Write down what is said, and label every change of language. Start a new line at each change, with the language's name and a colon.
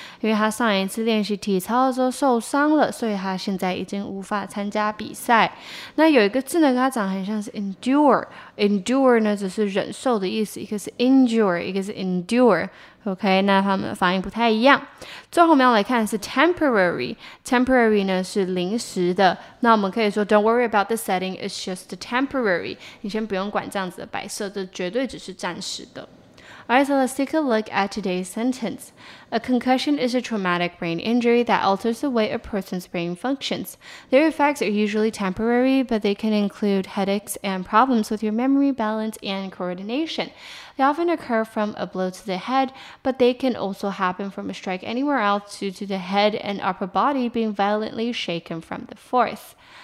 Chinese: 因为她上一次练习体操的时候受伤了，所以她现在已经无法参加比赛。那有一个字呢，跟它长得很像是 endure, endure 呢，则是忍受的意思，一个是 injure, 一个是 endure。 OK, 那他们的发音不太一样。最后我们要来看的是 temporary。temporary 呢是临时的。那我们可以说
English: don't worry about the setting, it's just temporary。
Chinese: 你先不用管这样子的摆设，这绝对只是暂时的。
English: Alright, so let's take a look at today's sentence. A concussion is a traumatic brain injury that alters the way a person's brain functions. Their effects are usually temporary, but they can include headaches and problems with your memory, balance, and coordination. They often occur from a blow to the head, but they can also happen from a strike anywhere else due to the head and upper body being violently shaken from the force.